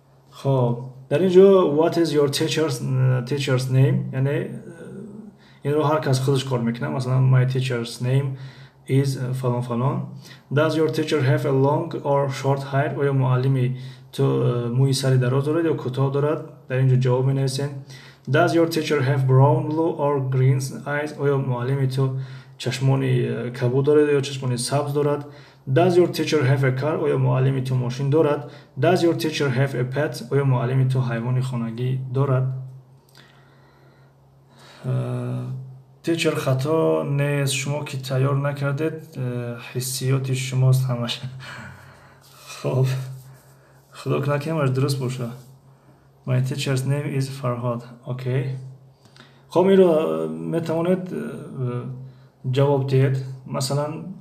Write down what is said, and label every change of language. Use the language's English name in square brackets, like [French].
[English] خب در اینجا what is your teacher's name [Persian] یعنی این رو هر کس خودش کار میکنه مثلا my teacher's name is فلان فلان [English] does your teacher have a long or short hair [Persian] آیا معلمی تو موی سری دراز دارد [English] یا کوتاه دارد در اینجا جواب می نویسیم does your teacher have brown blue or green eyes [Persian] آیا معلمی تو چشمانی کبود دارد یا چشمانی سبز دارد [English] Does your teacher have a car? [Persian] آیا معلمی تو ماشین دارد؟ [English] Does your teacher have a pet? [Persian] آیا معلمی تو حیوانی خانگی دارد؟ Teacher خطا نیست شما که تیار نکردید حسیات شماست همش خب خدا کنه که همش درست باشه [English] My teacher's name is Farhad [Persian] Okay خب این رو میتوانید جواب دید مثلا